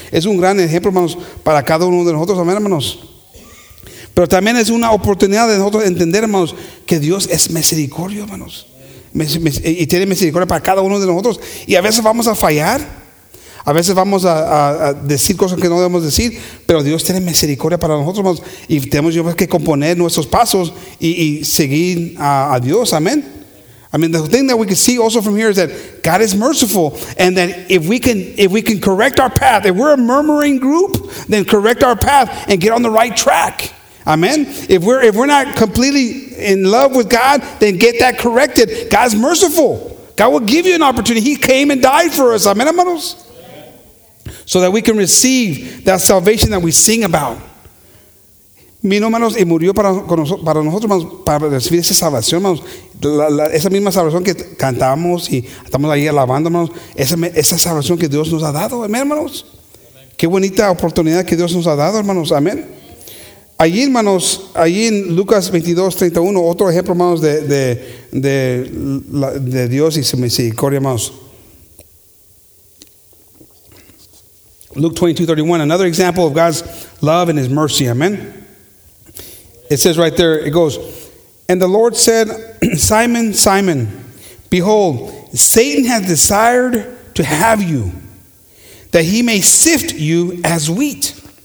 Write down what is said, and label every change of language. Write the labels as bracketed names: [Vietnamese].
[Spanish] Es un gran ejemplo, hermanos, para cada uno de nosotros, amén, hermanos. Pero también es una oportunidad de nosotros entender, hermanos, que Dios es misericordioso, hermanos. Y tiene misericordia para cada uno de nosotros. Y a veces vamos a fallar. A veces vamos a decir cosas que no debemos decir, pero Dios tiene misericordia para nosotros mismos, y tenemos que componer nuestros pasos y seguir a Dios. [English] Amen. I mean, the thing that we can see also from here is that God is merciful, and that if we can correct our path, if we're a murmuring group, then correct our path and get on the right track. Amen. If we're not completely in love with God, then get that corrected. God's merciful. God will give you an opportunity. He came and died for us. Amen, hermanos. So that we can receive that salvation that we sing about. [Spanish] Vino, hermanos, y murió para nosotros, hermanos, para recibir esa salvación, hermanos. Esa misma salvación que cantamos y estamos ahí alabando, hermanos. Esa salvación que Dios nos ha dado, hermanos. Amen. Qué bonita oportunidad que Dios nos ha dado, hermanos. Amén. Allí, hermanos, allí en Lucas 22:31, otro ejemplo, hermanos, de Dios y su misericordia, hermanos. [English] Luke 22:31, another example of God's love and his mercy. Amen. It says right there, it goes, "And the Lord said, Simon, Simon, behold, Satan has desired to have you, that he may sift you as wheat.